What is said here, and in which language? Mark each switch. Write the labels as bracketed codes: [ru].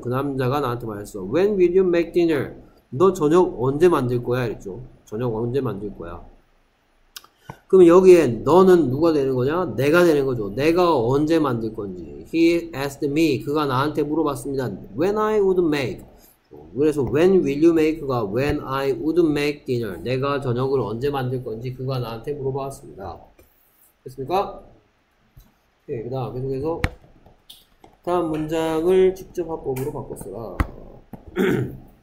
[ko] 그 남자가 나한테 말했어. [en] When will you make dinner? [ko] 너 저녁 언제 만들 거야? 이랬죠. 저녁 언제 만들 거야? 그럼 여기에 너는 누가 되는 거냐? 내가 되는 거죠. 내가 언제 만들 건지. [en] He asked me. [ko] 그가 나한테 물어봤습니다. [en] When I would make. [ko] 그래서 [en] when will you make가 when I would make dinner. [ko] 내가 저녁을 언제 만들 건지 그가 나한테 물어봤습니다. 됐습니까? 오케이. 그 다음 계속해서 다음 문장을 직접 화법으로 바꿨어라.